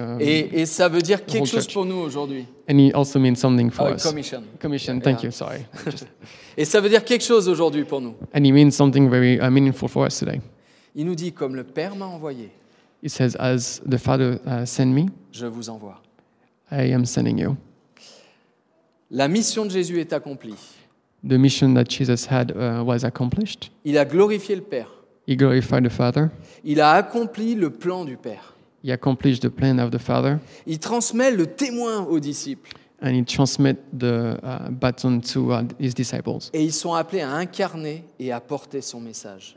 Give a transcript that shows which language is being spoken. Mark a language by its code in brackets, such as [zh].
[fr] Et ça veut dire quelque chose pour nous aujourd'hui. [en] And he also means something for us. Commission. Commission. Yeah, thank you. Sorry. [fr] Et ça veut dire quelque chose aujourd'hui pour nous. [en] And he means something very meaningful for us today. [fr] Il nous dit comme le Père m'a envoyé. [en] He says as the Father sent me. [fr] Je vous envoie. [en] I am sending you. [fr] La mission de Jésus est accomplie. [en] The mission that Jesus had was accomplished. [fr] Il a glorifié le Père. [en] He glorified the Father. [fr] Il a accompli le plan du Père. [en] He accomplished the plan of the Father. [fr] Il transmet le témoin aux disciples. [en] And he transmit the baton to his disciples. [fr] Et ils sont appelés à incarner et à porter son message.